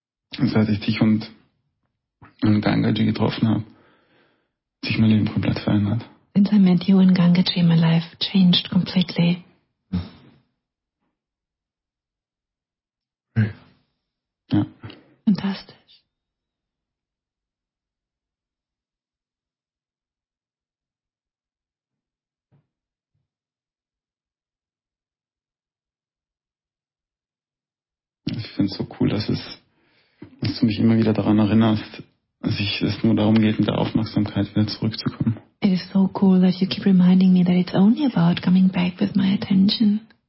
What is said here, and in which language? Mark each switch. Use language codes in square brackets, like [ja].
[de] Seit ich dich und Gangaji getroffen habe, hat sich mein Leben komplett verändert. [en] Since I met you and Gangaji, my life changed completely. Hey. [de] Ja. Fantastisch. Ich finde es so cool, dass es dass du mich immer wieder daran erinnerst, dass es nur darum geht, mit der Aufmerksamkeit wieder zurückzukommen. [en] It is so cool that you keep reminding me that it's only about coming back with my attention.